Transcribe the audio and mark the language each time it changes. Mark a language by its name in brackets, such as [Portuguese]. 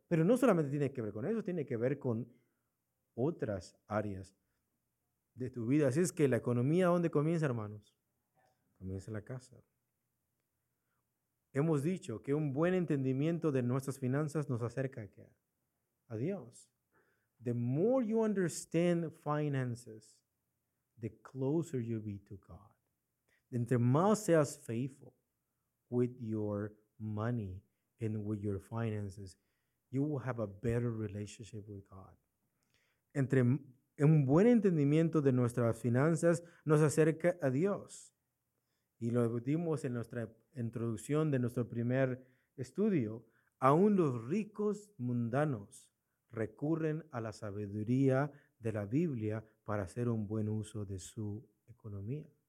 [Spanish] Pero no solamente tiene que ver con eso, tiene que ver con otras áreas de tu vida. Así es que la economía, ¿dónde comienza, hermanos? Comienza en la casa. Hemos dicho que un buen entendimiento de nuestras finanzas nos acerca a qué, a Dios. [English] The more you understand finances, the closer you'll be to God. [Spanish] Entre más seas [English] faithful with your money and with your finances, you will have a better relationship with God. [Spanish] Entre un buen entendimiento de nuestras finanzas nos acerca a Dios. Y lo discutimos en nuestra introducción de nuestro primer estudio. Aún los ricos mundanos recurren a la sabiduría de la Biblia para hacer un buen uso de su economía.